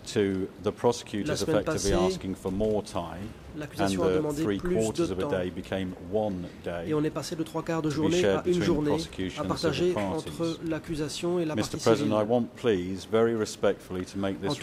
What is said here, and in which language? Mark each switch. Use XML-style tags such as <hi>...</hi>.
<en>to the prosecutors effectively asking for more time, and the three quarters of a day became one day.</en> <fr>Et on est passé de trois quarts de journée à une journée à partager entre l'accusation et la partie civile.</fr> <en>Mr. President, I want, please, very respectfully, to make this request.</en>